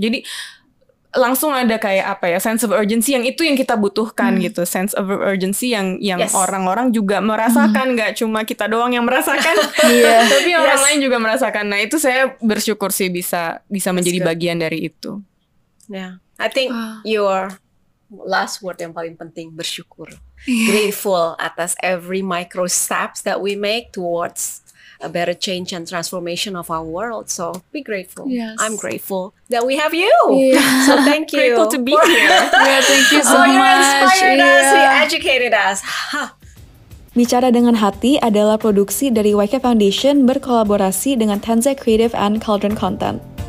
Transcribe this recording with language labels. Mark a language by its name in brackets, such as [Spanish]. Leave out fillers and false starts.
[Indonesian] Jadi langsung ada kayak apa ya, [English] sense of urgency [Indonesian] yang itu yang kita butuhkan gitu. [English] Sense of urgency [Indonesian] yang orang-orang juga merasakan, gak cuma kita doang yang merasakan. Tapi orang lain juga merasakan. Nah itu saya bersyukur sih bisa menjadi bagian dari itu. [English] Yeah, I think your last word [Indonesian] yang paling penting, bersyukur. [English] Grateful [Indonesian] atas [English] every micro steps that we make towards a better change and transformation of our world. So be grateful. Yes. I'm grateful that we have you. Yeah. So thank you. Grateful to be here. Thank you so much. Oh, you inspired us. You educated us. [Indonesian] Bicara Dengan Hati adalah produksi dari YK Foundation berkolaborasi dengan Tenze Creative and Cauldron Content.